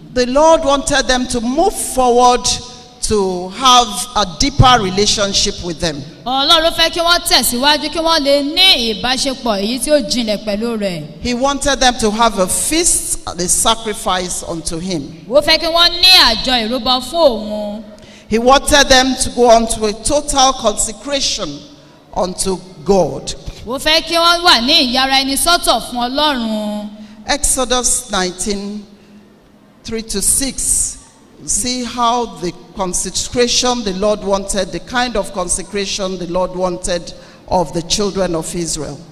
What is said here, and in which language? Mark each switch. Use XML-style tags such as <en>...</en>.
<en>The Lord wanted them to move forward to have a deeper relationship with them.</en> <yo>Ọlọ́run fẹ́ kí wọ́n tẹ̀síwájú, kí wọ́n lè ní ìbáṣepọ̀ èyí tí ó jinlẹ̀ pẹ̀lú rẹ̀.</yo> <en>He wanted them to have a feast and a sacrifice unto him.</en> <yo>Ó fẹ́ kí wọ́n ní àjọ ìrúbọ fún òun.</yo> <en>He wanted them to go on to a total consecration unto God.</en> <yo>Ó fẹ́ kí wọ́n wà ní ìyára ẹni sọ́tọ̀ fún Ọlọ́run.</yo> <en>Exodus 19:3-6. See how the consecration the Lord wanted, the kind of consecration the Lord wanted of the children of Israel.</en>